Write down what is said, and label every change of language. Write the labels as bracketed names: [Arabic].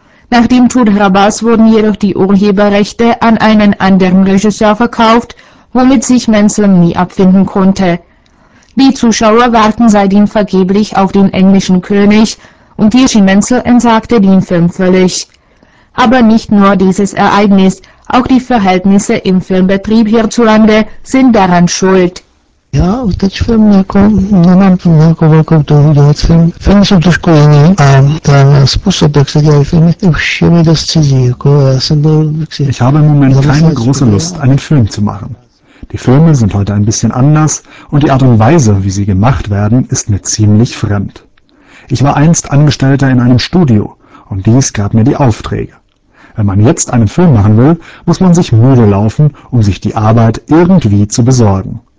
[German] Nach dem Tod Hrabals wurden jedoch die Urheberrechte an einen anderen Regisseur verkauft, womit sich Menzel nie abfinden konnte. Die Zuschauer warten seitdem vergeblich auf den englischen König und Jiří Menzel entsagte den Film völlig. Aber nicht nur dieses Ereignis, auch die Verhältnisse im Filmbetrieb hierzulande sind daran schuld. [Czech] Já u teď film jako nemám tu nějakou velkou touhu dělat film. Film jsou trošku jiný a ten způsob, jak se dělají filmy, už je mi dost cizí. Jako já jsem byl, [German] Ich habe im Moment keine große Lust, einen Film zu machen. Die Filme sind heute ein bisschen anders und die Art und Weise, wie sie gemacht werden, ist mir ziemlich fremd. Ich war einst Angestellter in einem Studio und dies gab mir die Aufträge. Wenn man jetzt einen Film machen will, muss man sich Mühe laufen, um sich die Arbeit irgendwie zu besorgen.